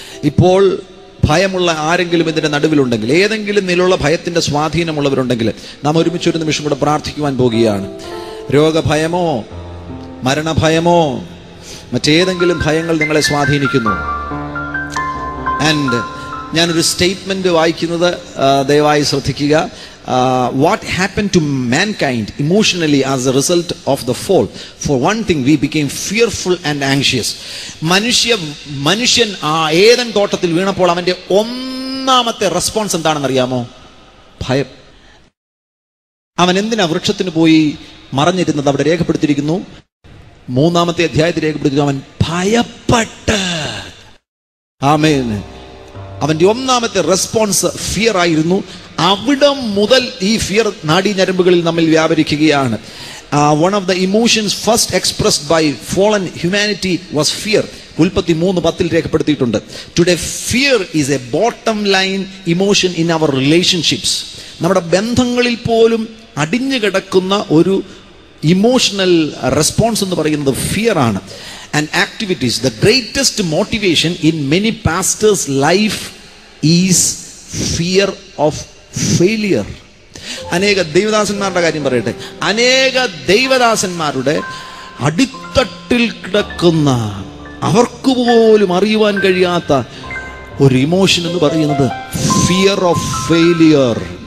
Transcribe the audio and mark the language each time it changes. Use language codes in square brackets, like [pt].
[ml] ഇപ്പോൾ ഭയമുള്ള ആരെങ്കിലും ഇതിൻ്റെ നടുവിലുണ്ടെങ്കിൽ, ഏതെങ്കിലും നിലയുള്ള ഭയത്തിൻ്റെ സ്വാധീനമുള്ളവരുണ്ടെങ്കിൽ, നാം ഒരുമിച്ചൊരു നിമിഷം കൂടെ പ്രാർത്ഥിക്കുവാൻ പോകുകയാണ്. രോഗഭയമോ മരണഭയമോ മറ്റേതെങ്കിലും ഭയങ്ങൾ നിങ്ങളെ സ്വാധീനിക്കുന്നു. ആൻഡ് ഞാനൊരു സ്റ്റേറ്റ്മെൻറ്റ് വായിക്കുന്നത് ദയവായി ശ്രദ്ധിക്കുക. [en] What happened to mankind emotionally as a result of the fall? For one thing, we became fearful and anxious. [ml] Manushyan aa edan thottathil veenappol avante onnamathe response endanu ariyamo? Bhayam. Avan endina vrikshathinu poi maranjirunnathu avade rekhapeduthirikkunnu. Moonamathe adhyayathil rekhapeduthirikkunnu avan bhayappattu. Amen. അവൻ്റെ ഒന്നാമത്തെ response fear ആയിരുന്നു. അവിടെ മുതൽ ഈ fear നാഡീഞരമ്പുകളിൽ നമ്മൾ വ്യാപരിക്കുകയാണ്. [en] One of the emotions first expressed by fallen humanity was fear. 3:10 [ml] രേഖപ്പെടുത്തിയിട്ടുണ്ട്. [en] Today fear is a bottom line emotion in our relationships. [ml] നമ്മുടെ ബന്ധങ്ങളിൽ പോലും അടിഞ്ഞുകിടക്കുന്ന ഒരു ഇമോഷണൽ റെസ്പോൺസ് എന്ന് പറയുന്നത് ഫിയർ ആണ്. [en] And activities, the greatest motivation in many pastors' life is fear of failure. [ml] അനേക ദൈവദാസന്മാരുടെ കാര്യം പറയട്ടെ, അനേക ദൈവദാസന്മാരുടെ അടിത്തട്ടിൽ കിടക്കുന്ന അവർക്ക് പോലും അറിയുവാൻ കഴിയാത്ത ഒരു ഇമോഷൻ എന്ന് പറയുന്നത് [en] Fear of failure.